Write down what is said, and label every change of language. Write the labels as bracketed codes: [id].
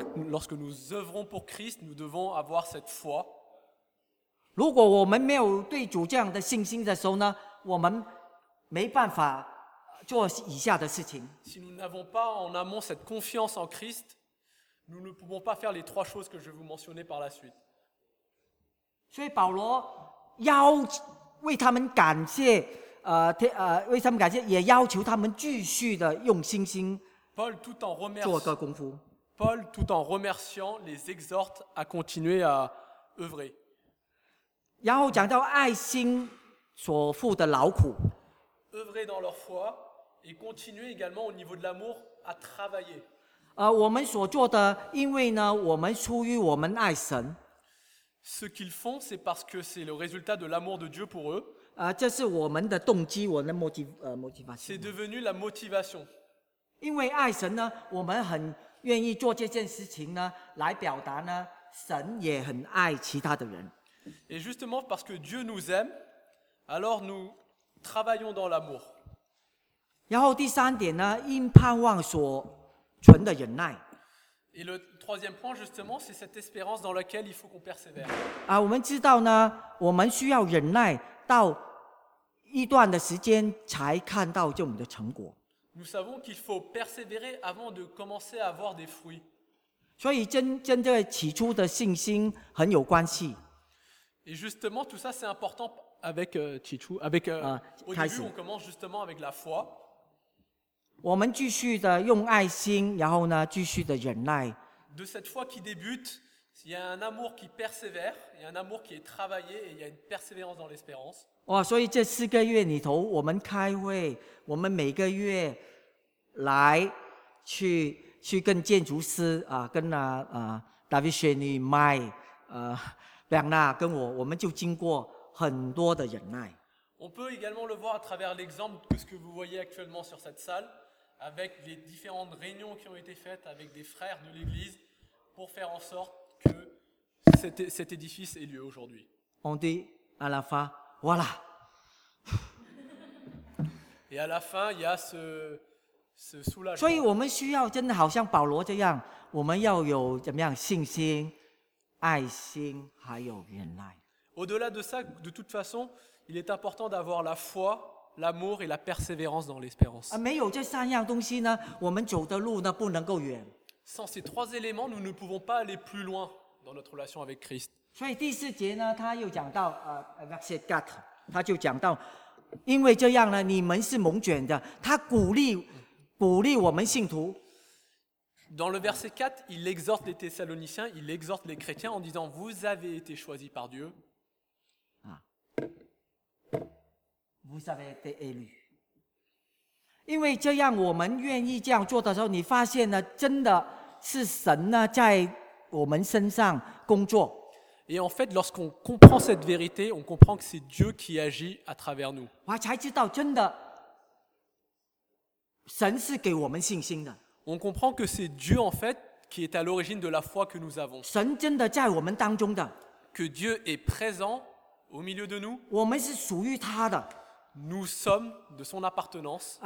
[fr] Lorsque nous œuvrons pour Christ, nous devons avoir cette foi. [zh] 如果我们没有对主这样的信心的时候呢，我们没办法做以下的事情。 [fr] Si nous n'avons pas en amont cette confiance en Christ, nous ne pouvons pas faire les trois choses que je vais vous mentionner par la suite. [zh] 所以保罗要为他们感谢，为他们感谢，也要求他们继续的用信心做个功夫。 [fr] Paul tout en remerciant les exhorte à continuer à œuvrer. [zh] 然后讲到爱心所付的劳苦。 [fr] œuvrer dans leur foi et continuer également au niveau de l'amour à travailler. [zh] 我们所做的，因为呢，我们出于我们爱神。 [fr] Ce qu'ils font, c'est parce que c'est le résultat de l'amour de Dieu pour eux. [zh] 这是我们的动机，我们的motivation. [fr] C'est devenu la motivation. [zh] 因为爱神呢，我们很愿意做这件事情呢，来表达呢，神也很爱其他的人。 [fr] Et justement parce que Dieu nous aime, alors nous travaillons dans l'amour. [zh] 然后第三点呢，因盼望所存的忍耐。 [fr] Et le troisième point, justement, c'est cette espérance dans laquelle il faut qu'on persévère. [zh] 我们知道呢，我们需要忍耐到一段的时间才看到我们的成果。 [fr] Nous savons qu'il faut persévérer avant de commencer à avoir des fruits. [zh] 所以真正起初的信心很有关系。 [fr] Et justement, tout ça, c'est important avec Chichu, avec au début, on commence justement avec la foi. [zh] 我们继续的用爱心，然后呢，继续的忍耐。 [fr] De cette foi qui débute, il y a un amour qui persévère, il y a un amour qui est travaillé, et il y a une persévérance dans l'espérance. [zh] 哇，所以这四个月里头，我们开会，我们每个月来去跟建筑师跟David Shani, Mike, Bernard, 跟我们就经过很多的忍耐。 [fr] On peut également le voir à travers l'exemple de ce que vous voyez actuellement sur cette salle. Avec les différentes réunions qui ont été faites avec des frères de l'Église pour faire en sorte que cet édifice ait lieu aujourd'hui. On dit à la fin, voilà. Et à la fin, il y a ce soulagement. [zh] 所以我们需要真的好像保罗这样，我们要有怎么样信心、爱心还有忍耐。 [fr] Au-delà de ça, de toute façon, il est important d'avoir la foi. L'amour et la persévérance dans l'espérance. [zh] 没有这三样东西呢，我们走的路呢不能够远。 [fr] Sans ces trois éléments, nous ne pouvons pas aller plus loin dans notre relation avec Christ. [zh] 所以第四节呢，他又讲到 [fr] verset 4， [zh] 他就讲到，因为这样呢，你们是蒙卷的。他鼓励我们信徒。 [fr] Dans le verset 4, il exhorte les Thessaloniciens, il exhorte les chrétiens en disant, vous avez été choisis par Dieu. Vous avez été élus. [zh] 因为这样我们愿意这样做的时候，你发现呢，真的是神呢在我们身上工作。 [fr] Et en fait, lorsqu'on comprend cette vérité, on comprend que c'est Dieu qui agit à travers nous. [zh] 我才知道真的，神是给我们信心的。 [fr] On comprend que c'est Dieu en fait qui est à l'origine de la foi que nous avons. [zh] 神真的在我们当中的。 [fr] Que Dieu est présent au milieu de nous. [zh] 我们是属于他的。 [fr] Nous sommes de son appartenance.